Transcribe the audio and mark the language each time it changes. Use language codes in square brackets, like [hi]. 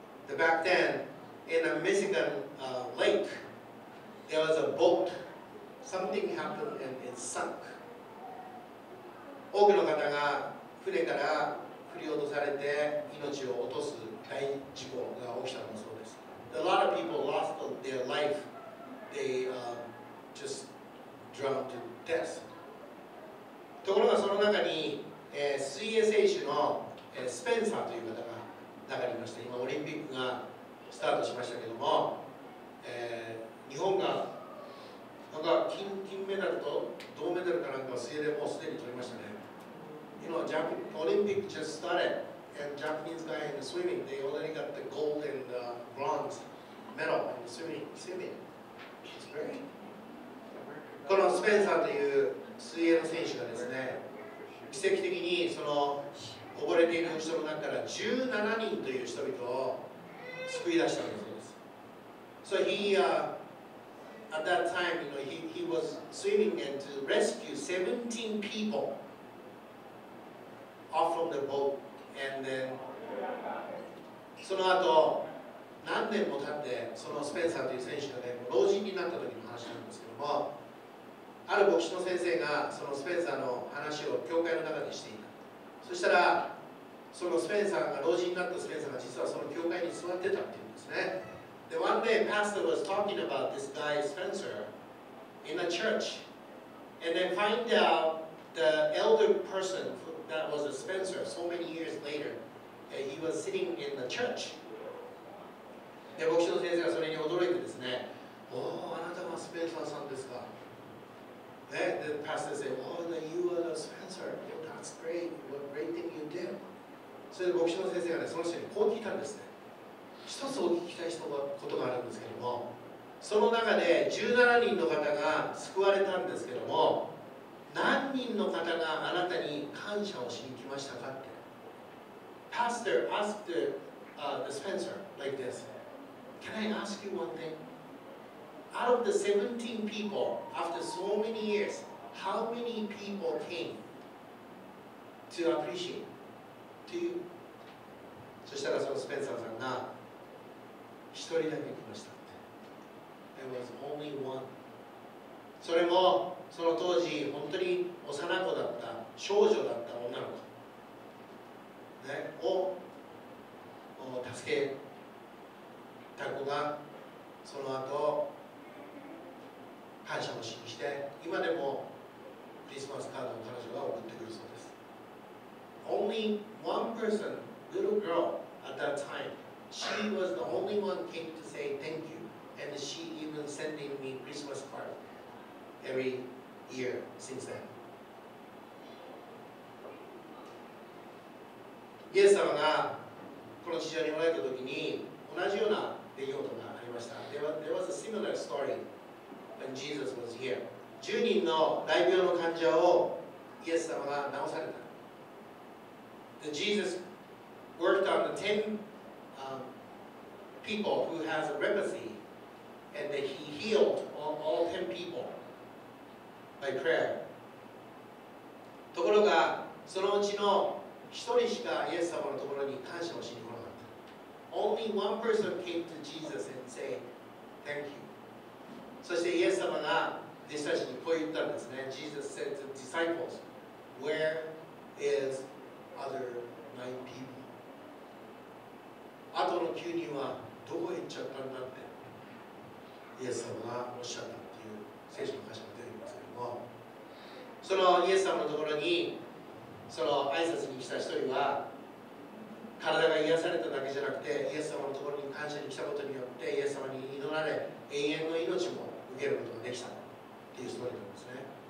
[en] The back then, in a Michigan, lake,There was a boat. Something happened and it sunk. [ja] 多くの方が船から振り落とされて命を落とす大事故が起きたのそうです。 [en] A lot of people lost their life. They just drowned to death. [ja] ところがその中に、水泳選手の、スペンサーという方が中にいまして、今オリンピックがスタートしましたけども、日本がなんか 金メダルと銅メダルかなんかを水泳でもうすでに取りましたね。 [en] You know, Olympic just started, and Japanese guy in the swimming, they already got the gold and the bronze medal in the swimming. It's great. [ja] このスペンサーという水泳の選手がですね、奇跡的にその溺れている人の中から17人という人々を救い出したんだそうです。 [en] So he, At that time, you know, he was swimming and to rescue 17 people off from the boat. And then, [ja] その後、何年年も経ってそのスペンサーという選手がね老人になった時の話なんですけども、ある牧師の先生がそのスペンサーの話を教会の中でしていた。そしたらそのスペンサーが老人になったスペンサーが実はその教会に座ってたっていうんですね。 [en] で、one day pastor was talking about this guy Spencer in a church, and then find out the elder person that was a Spencer so many years later, and he was sitting in the church. [ja] で、牧師の先生がそれに驚いてですね、おお、あなたはスペンサーさんですか。 [en] で、the pastor said, oh, you are the Spencer. Well, that's great. What great thing you did. [ja] それで牧師の先生がね、その人にこう聞いたんですね。一つお聞きしたいことがあるんですけども、その中で17人の方が救われたんですけども、何人の方があなたに感謝をしに来ましたかって。 [en] Pastor asked the,、the Spencer like this. Can I ask you one thing? Out of the 17 people, after so many years, how many people came to appreciate? [ja] っていう。そしたらそのスペンサーさんが一人だけ来ましたって。 [en] There was only one。 [ja] それもその当時本当に幼子だった少女だった女の子、ね、を助けた子がその後感謝をしにして今でもクリスマスカードを彼女が送ってくるそうです。 [en] Only one person, little girl, at that time, she was the only one came to say thank you, and she even sending me Christmas card every year since then. [ja] イエス様がこの地上におられた時に同じような出来事がありました。 [en] There was a similar story when Jesus was here. [ja] 10人の大病の患者をイエス様が治された。 [en] Jesus worked on the 10 people who has a leprosy, and that he healed all 10 people by prayer. [ja] ところが、そのうちの一人しかイエス様のところに感謝をしに来なかった。 [en] Only one person came to Jesus and said, thank you. [ja] そしてイエス様が弟子たちにこう言ったんですね。 [en] Jesus said to the disciples, where is other nine people. [ja] あとの9人はどこへ行っちゃったんだってイエス様がおっしゃったっていう聖書の箇所が出るんですけども、そのイエス様のところにその挨拶に来た一人は体が癒されただけじゃなくてイエス様のところに感謝に来たことによってイエス様に祈られ永遠の命も受けることができたっていうストーリーなんですね。